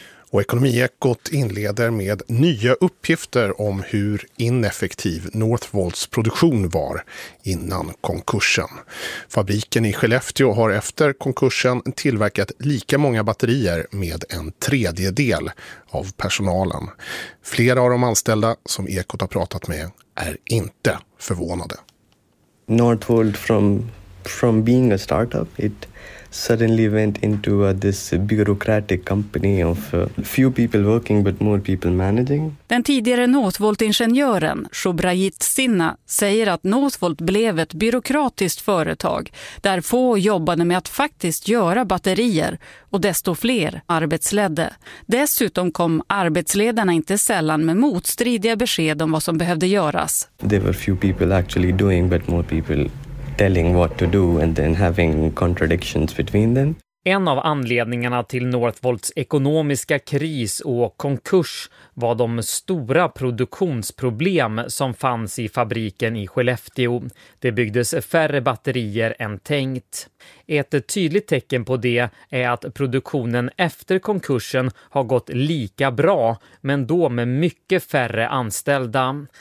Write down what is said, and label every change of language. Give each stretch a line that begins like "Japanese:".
Swedish: Och Ekonomiekot inleder med nya uppgifter om hur ineffektiv Northvolts produktion var innan konkursen. Fabriken i Skellefteå har efter konkursen tillverkat lika många batterier med en tredjedel av personalen. Flera av de anställda som Ekot har pratat med är inte förvånade.
English: Northvolt from being a startup, it suddenly went into this bureaucratic company of few people working but more people managing.
Swedish: Den tidigare Northvolt-ingenjören Shobrajit Sinna säger att Northvolt blev ett byråkratiskt företag där få jobbade med att faktiskt göra batterier och desto fler arbetsledde. Dessutom kom arbetsledarna inte sällan med motstridiga besked om vad som behövde göras.
English: There were few people actually doing but more people telling what to do and then having contradictions between them.
Swedish: En av anledningarna till Northvolts ekonomiska kris och konkurs var de stora produktionsproblem som fanns i fabriken i Skellefteå. Det byggdes färre batterier än tänkt. Ett tydligt tecken på det är att produktionen efter konkursen har gått lika bra, men då med mycket färre anställda.